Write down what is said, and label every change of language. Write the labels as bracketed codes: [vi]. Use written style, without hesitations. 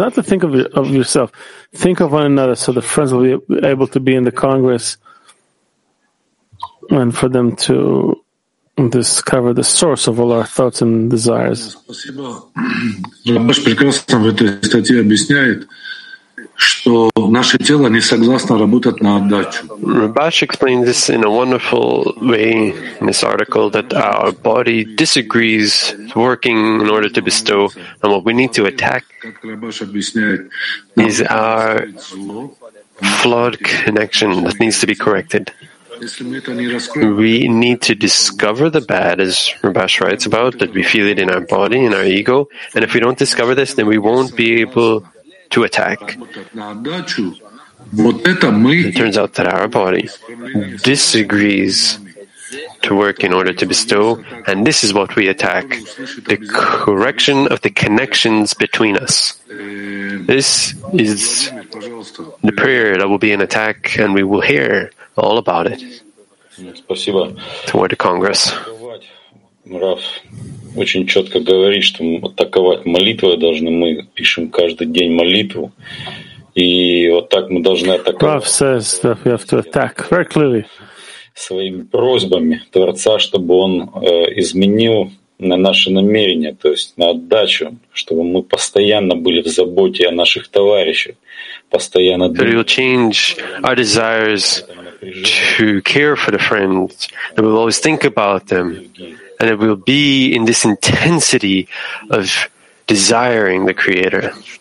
[en] Not to think of yourself, think of one another so the friends will be able to be in the Congress and for them to discover the source of all our thoughts and desires. [ru] Рабаш прекрасно в этой статье объясняет, что наше тело не согласно работать на отдачу. [en] Rabash explains this in a wonderful way in this article, that our body disagrees working in order to bestow, and what we need to attack is our flawed connection that needs to be corrected. We need to discover the bad, as Rabash writes about, that we feel it in our body, in our ego, and if we don't discover this, then we won't be able to attack. It turns out that our body disagrees to work in order to bestow, and this is what we attack, the correction of the connections between us. This is the prayer that will be an attack, and we will hear all about it. [ru] Спасибо. [en] Toward the Congress. [ru] Рав очень четко говорит, что атаковать молитвой должны. Мы пишем каждый день молитву. И вот так мы должны атаковать. [en] Рав says that we have to attack very clearly. [ru] Своими просьбами Творца, чтобы он изменил на наши намерения, то есть на отдачу, чтобы мы постоянно были в заботе о наших товарищах, постоянно думали. [en] It will change our desires to care for the friends, that we'll always think about them, and it will be in this intensity of desiring the Creator.